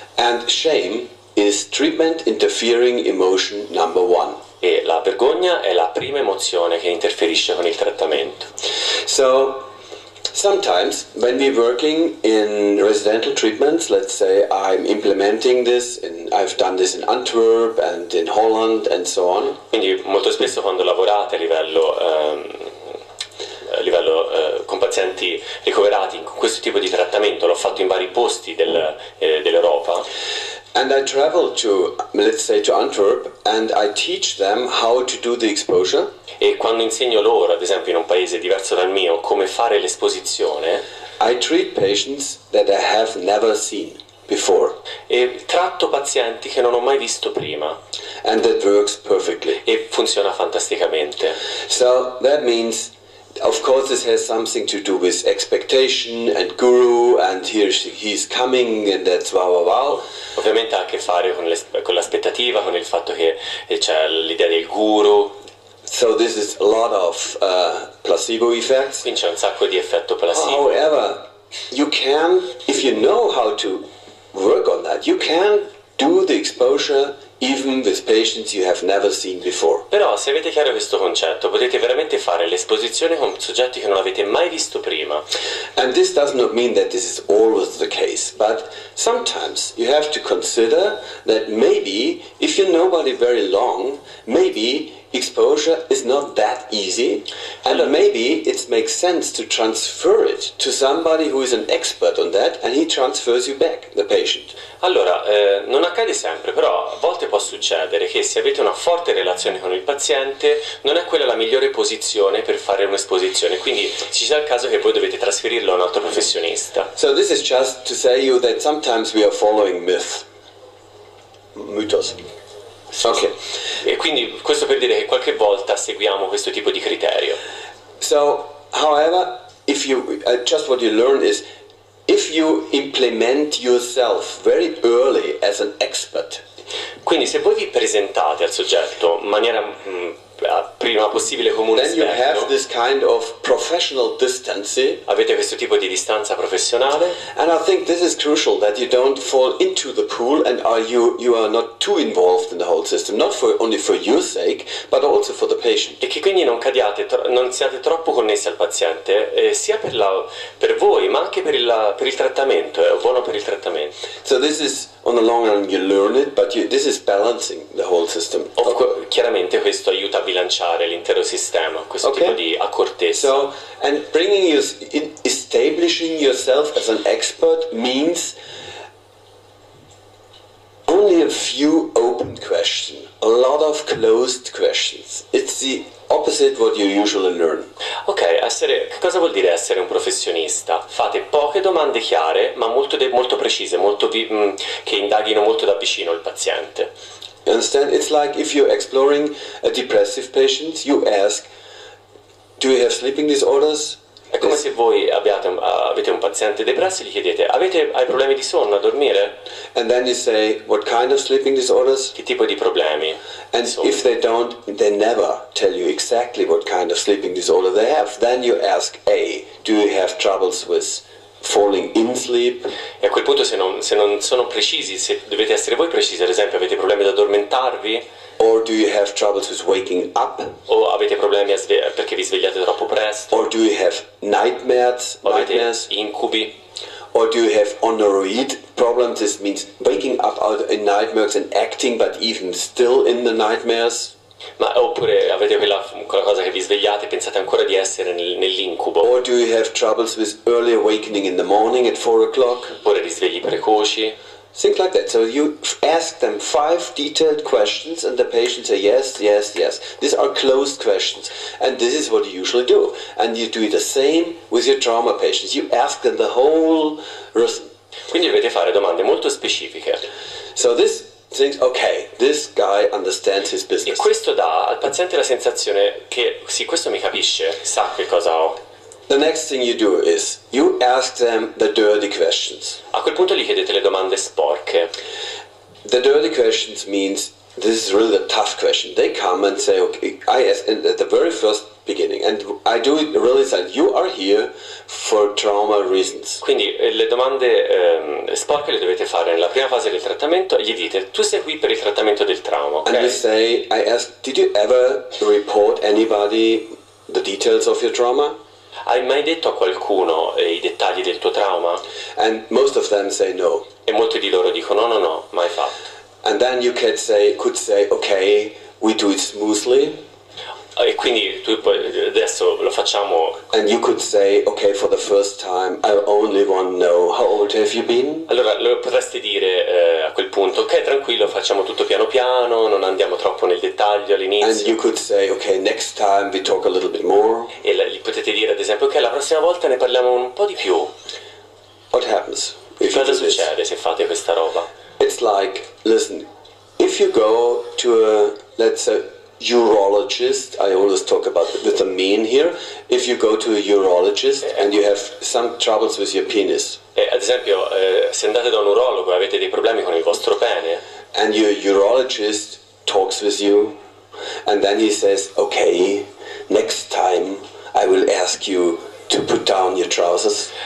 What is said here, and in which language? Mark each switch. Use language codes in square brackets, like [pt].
[en] And shame is treatment interfering emotion number one. [it] E la vergogna è la prima emozione che interferisce con il trattamento. [en] So, sometimes when we're working in residential treatments, let's say I'm implementing this, and I've done this in Antwerp and in Holland and so on. [it] Quindi molto spesso quando lavorate a livello con pazienti ricoverati con questo tipo di trattamento, l'ho fatto in vari posti dell'Europa. [en] And I travel to, let's say, to Antwerp, and I teach them how to do the exposure. [it] E quando insegno loro, ad esempio, in un paese diverso dal mio, come fare l'esposizione, [en] I treat patients that I have never seen before. [it] E tratto pazienti che non ho mai visto prima. [en] And that works perfectly. [it] E funziona fantasticamente. [en] So that means, of course, this has something to do with expectation and guru, and here he's coming, and that's wow, wow, wow. [it] Ovviamente ha a che fare con l'aspettativa, con il fatto che c'è l'idea del guru. [en] So this is a lot of placebo effects. [it] Quindi c'è un sacco di effetto placebo. [en] However, you can, if you know how to work on that, you can do the exposure even with patients you have never seen before. [it] Però se avete chiaro questo concetto, potete veramente fare l'esposizione con soggetti che non avete mai visto prima. [en] And this does not mean that this is always the case, but sometimes you have to consider that maybe if you know somebody very long, maybe exposure is not that easy, and maybe it makes sense to transfer it to somebody who is an expert on that, and he transfers you back the patient. [it] Allora, non accade sempre, però a volte può succedere che se avete una forte relazione con il paziente, non è quella la migliore posizione per fare un'esposizione. Quindi ci sia il caso che voi dovete trasferirlo a un altro professionista. [en] So this is just to say you that sometimes we are following mythos. [it] Ok, e quindi questo per dire che qualche volta seguiamo questo tipo di criterio. [en] So, however, if you just what you learn is if you implement yourself very early as an expert. [it] Quindi se voi vi presentate al soggetto in maniera prima possibile come un esperto, [en] then you have this kind of professional distance. [it] Avete questo tipo di distanza professionale. [en] And I think this is crucial that you don't fall into the pool and you are not too involved in the whole system, not for only for your sake, but also for the patient. [it] E che quindi non cadiate, non siate troppo connessi al paziente, sia per voi, ma anche per il trattamento. È buono per il trattamento. [en] So this is on the long run you learn it, but this is balancing the whole system. [it] Chiaramente questo aiuta a bilanciare l'intero sistema, questo okay. tipo di accortezza. [en] So, and bringing you, establishing yourself as an expert means only a few open questions, a lot of closed questions. It's the opposite what you usually learn. [it] Ok, che cosa vuol dire essere un professionista? Fate poche domande chiare, ma molto precise, che indaghino molto da vicino il paziente. [en] You understand? It's like if you're exploring a depressive patient, you ask, do you have sleeping disorders? [it] È come se voi avete un paziente depresso e gli chiedete, hai problemi di sonno, a dormire? [en] And then you say, what kind of sleeping disorders? [it] Che tipo di problemi? [en] And if they don't, they never tell you exactly what kind of sleeping disorder they have. Then you ask, A, do you have troubles with falling in sleep? [it] E a quel punto se non sono precisi, se dovete essere voi precisi, ad esempio, avete problemi ad addormentarvi? [en] Or do you have troubles with waking up? [it] O avete problemi perché vi svegliate troppo presto? [en] Or do you have nightmares? [it] Incubi? [en] Or do you have onoroid problems? This means waking up out in nightmares and acting, but even still in the nightmares. [it] Ma oppure avete quella cosa che vi svegliate e pensate ancora di essere nell'incubo? [en] Or do you have troubles with early awakening in the morning at 4 o'clock? [it] Oppure risvegli precoci? [en] Think like that. So you ask them 5 detailed questions and the patient says yes, yes, yes. These are closed questions. And this is what you usually do. And you do the same with your trauma patients. You ask them the whole reason. [it] Quindi dovete fare domande molto specifiche. [en] So this thinks, okay, this guy understands his business. [it] E questo dà al paziente la sensazione che, sì, questo mi capisce, sa che cosa ho. [en] The next thing you do is you ask them the dirty questions. [it] A quel punto gli chiedete le domande sporche. [en] The dirty questions means this is really a tough question. They come and say, okay, I ask at the very first beginning, and I do it really said you are here for trauma reasons. [it] Quindi le domande sporche le dovete fare nella prima fase del trattamento. Gli dite, tu sei qui per il trattamento del trauma. Okay? [en] And you say, I ask, did you ever report anybody the details of your trauma? [it] Hai mai detto a qualcuno i dettagli del tuo trauma? [en] And most of them say no. [it] E molti di loro dicono no, mai fatto. [en] And then you could say, okay, we do it smoothly. [it] E quindi tu poi adesso lo facciamo. [en] And you could say, okay, for the first time, I only want to know how old have you been? [it] Allora lo potresti dire a quel punto, ok, tranquillo, facciamo tutto piano piano, non andiamo troppo nel dettaglio all'inizio. [en] And you could say, okay, next time we talk a little bit more. [it] E gli potete dire, ad esempio, ok, la prossima volta ne parliamo un po' di più. [en] What happens if [it] cosa [en] you do [it] succede [en] this? [it] Se fate questa roba? [en] It's like, listen, if you go to a, let's say, urologist, I always talk about with the mean here. If you go to a urologist and you have some troubles with your penis, [it] ad esempio, se andate da un urologo e avete dei problemi con il vostro pene, [en] and your urologist talks with you, and then he says, okay, next time I will ask you to put down your trousers.